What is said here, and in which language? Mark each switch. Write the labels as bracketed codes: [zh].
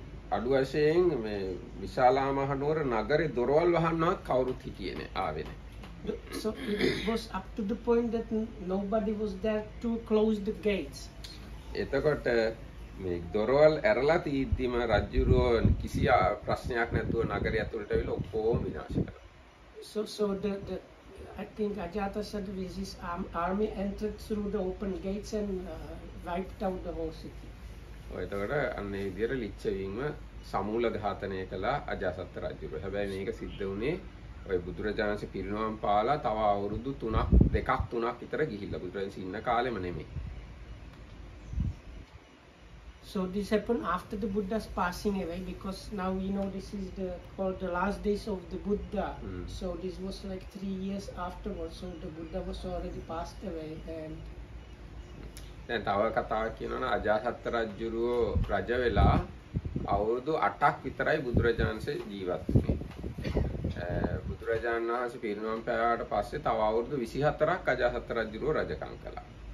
[si] අඩු වශයෙන් මේ විශාලා මහ නුවර නගරේ දොරවල් වහන්නවත් කවුරුත් හිටියේ නැහැ ආවේ නැහැ. [en] So it was up to the point that nobody was there to close the gates. [si] එතකොට මේ දොරවල් ඇරලා තීද්දිම රජුරෝ කිසි ප්‍රශ්නයක් නැතුව නගරය ඇතුළට ඇවිල්ලා ඔක්කොම විනාශ කළා. [en] So the I think Ajatasattu with his army entered through the open gates and wiped out the whole city. [si] එතකොට අන්න ඒ විදිහට ලිච්ඡවින්ව සමූල ඝාතනය කළා අජාසත් රජුරෝ. හැබැයි මේක සිද්ධ වුණේ ওই බුදුරජාණන් සේ පිරිනවම් පාලා තව අවුරුදු 3ක් 2ක් 3ක් විතර ගිහිල්ලා බුදුරජාණන් සින්න කාලෙම නෙමෙයි. [en] So this happened after the Buddha's passing away because now we know this is the called the last days of the Buddha. So this was like 3 years afterwards, so the Buddha was already passed away and [si] දැන් තව කතාවක් කියනවනේ අජාසත් රජුරෝ රජ වෙලා අවුරුදු 8ක් විතරයි බුදුරජාන්සේ ජීවත් වුනේ. බුදුරජාන් වහන්සේ පිරිනමන් පෑවට පස්සේ තව අවුරුදු 24ක් අජාසත් රජුරෝ රජකම් කළා.